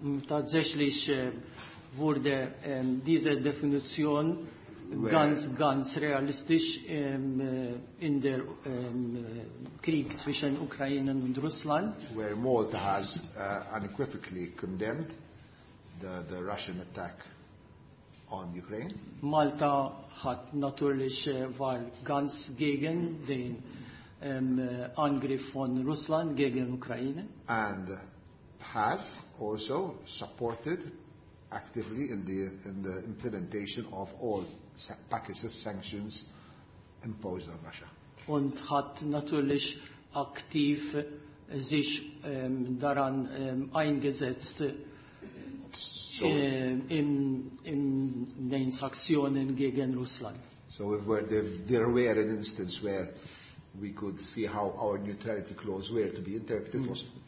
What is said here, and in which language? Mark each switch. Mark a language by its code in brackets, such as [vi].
[de] Tatsächlich wurde diese Definition ganz realistisch in der Krieg zwischen Ukraine und Russland. [en] Where Malta has unequivocally condemned the Russian attack on Ukraine. [de] Malta hat natürlich war ganz gegen den Angriff von Russland gegen Ukraine. [en] And has also supported actively in the implementation of all packages of sanctions imposed on Russia. [de] Und hat natürlich aktiv sich daran eingesetzt in den Sanktionen gegen Russland. [en] So if there were an instance where we could see how our neutrality clause were to be interpreted was